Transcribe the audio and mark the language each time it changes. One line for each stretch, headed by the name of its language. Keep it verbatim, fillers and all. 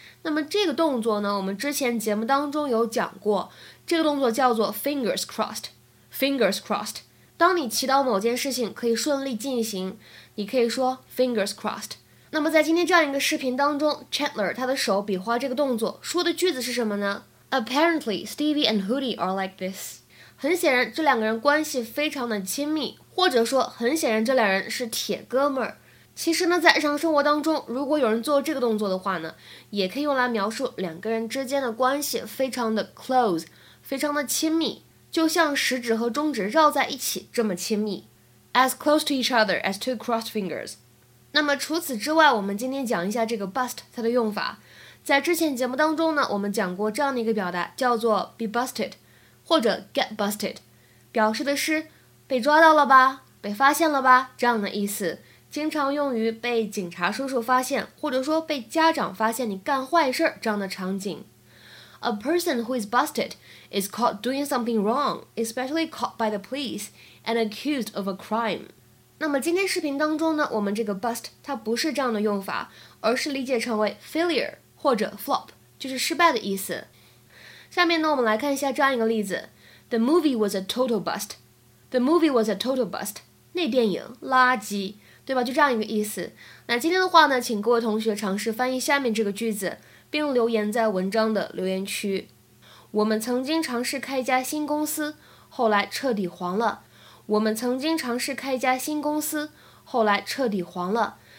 Chinese: 那么这个动作呢，我们之前节目当中有讲过，这个动作叫做 fingers crossed fingers crossed。当你祈祷某件事情可以顺利进行，你可以说 fingers crossed。那么在今天这样一个视频当中， Chandler 他的手比划这个动作，说的句子是什么呢？
English: Apparently Stevie and Hootie are like this。
Chinese: 很显然这两个人关系非常的亲密，或者说很显然这两人是铁哥们儿。其实呢，在日常生活当中，如果有人做这个动作的话呢，也可以用来描述两个人之间的关系非常的 close， 非常的亲密，就像食指和中指绕在一起这么亲密， as close to each other as two crossed fingers。那么除此之外，我们今天讲一下这个 bust 它的用法。在之前节目当中呢，我们讲过这样的一个表达，叫做 be busted或者 get busted， 表示的是被抓到了吧，被发现了吧，这样的意思，经常用于被警察叔叔发现，或者说被家长发现你干坏事这样的场景。
English: A person who is busted is caught doing something wrong, especially caught by the police and accused of a crime。
Chinese: 那么今天视频当中呢，我们这个 bust 它不是这样的用法，而是理解成为 failure 或者 flop， 就是失败的意思。下面呢，我们来看一下这样一个例子。
English: The movie was a total bust. The movie was a total bust.
Chinese: 那电影垃圾，对吧？就这样一个意思。那今天的话呢，请各位同学尝试翻译下面这个句子，并留言在文章的留言区。我们曾经尝试开一家新公司，后来彻底黄了。我们曾经尝试开一家新公司，后来彻底黄了。